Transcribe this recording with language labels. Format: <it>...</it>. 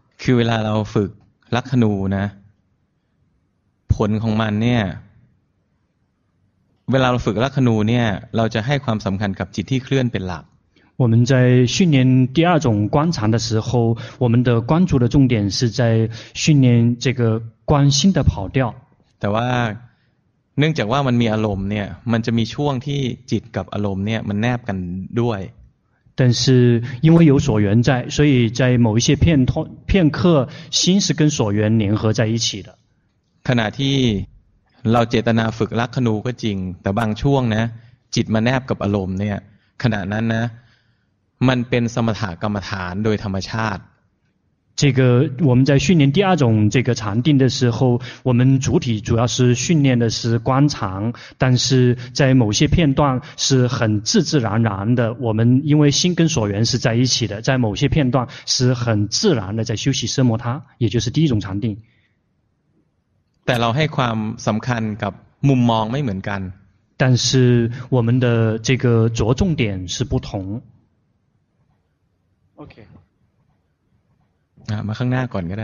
<th>คือเวลาเราฝึกลักขณูนะผลของมันเนี่ยเวลาเราฝึกลักขณูเนี่ยเราจะให้ความสำคัญกับจิตที่เคลื่อนเป็นหลัก</th> <zh>我们在训练第二种观禅的时候我们的关注的重点是在训练这个观心的跑调</zh> <th>แต่ว่าเนื่องจากว่ามันมีอารมณ์เนี่ยมันจะมีช่วงที่จิตกับอารมณ์เนี่ยมันแนบกันด้วย</th> <zh>但是因为有所缘在所以在某一些片刻心是跟所缘联合在一起的</zh> <th>ขณะที่เราเจตนาฝึกลักขณูก็จริงแต่บางช่วงนะจิตมันแนบกับอารมณ์เนี่ยขณะนั้นนะมันเป็นสมถกรรมฐานโดยธรรมชาติ</th> <zh>这个我们在训练第二种这个禅定的时候，我们主体主要是训练的是观常，但是在某些片段是很自自然然的，我们因为心跟所缘是在一起的，在某些片段是很自然的在休息奢摩他，也就是第一种禅定。</zh> <th>แต่เราให้ความสำคัญกับมุมมองไม่เหมือนกัน</th> <zh>但是我们的这个着重点是不同。</zh> <th>OK啊，มาข้างหน้าก่อนก็ได</th>